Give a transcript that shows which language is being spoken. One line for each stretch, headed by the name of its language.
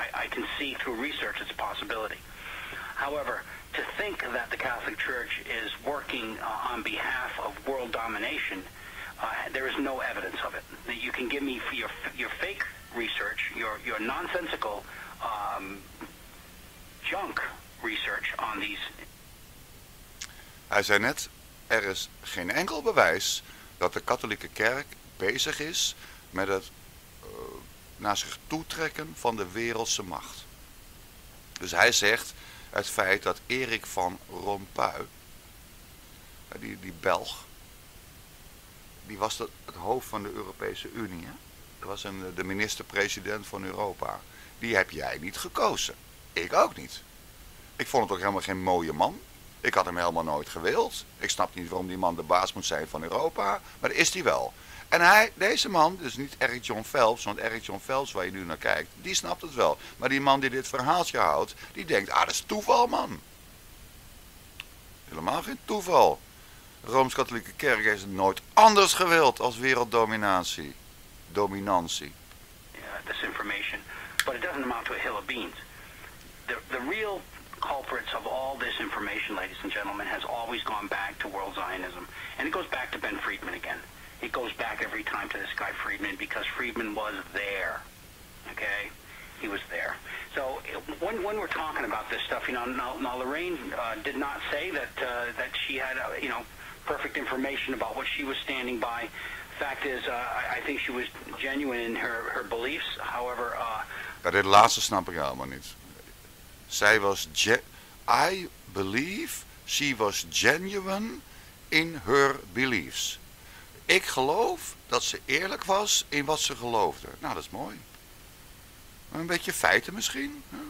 English: I can see through research it's a possibility. However, to think that the Catholic Church is working on behalf of world domination, there is no evidence of it. That you can give me for your fake research, your nonsensical junk research on these.
Dutch: Hij zei net, er is geen enkel bewijs dat de katholieke kerk bezig is met het naar zich toetrekken van de wereldse macht. Dus hij zegt het feit dat Erik van Rompuy, die Belg, die was het hoofd van de Europese Unie. Hè? Dat was de minister-president van Europa. Die heb jij niet gekozen. Ik ook niet. Ik vond het ook helemaal geen mooie man. Ik had hem helemaal nooit gewild. Ik snap niet waarom die man de baas moet zijn van Europa. Maar dat is hij wel. En hij, deze man, dus niet Eric John Phelps. Want Eric John Phelps waar je nu naar kijkt, die snapt het wel. Maar die man die dit verhaaltje houdt, die denkt, ah, dat is toeval, man. Helemaal geen toeval. De Rooms-Katholieke Kerk heeft het nooit anders gewild als werelddominatie. Dominantie.
English: Ja, yeah, information. But it doesn't amount to a hill of beans. The real culprits of all this information, ladies and gentlemen, has always gone back to world Zionism. And it goes back to Ben Friedman again. It goes back every time to this guy Friedman, because Friedman was there. Okay? He was there. So when we're talking about this stuff, you know, now Lorraine did not say that she had, you know, perfect information about what she was standing by. Fact is, I think she was genuine in her beliefs. However,
Dutch: dat dit laatste snap ik helemaal niet. Zij was,
English: I believe she was genuine in her beliefs.
Dutch: Ik geloof dat ze eerlijk was in wat ze geloofde. Nou, dat is mooi. Een beetje feiten misschien.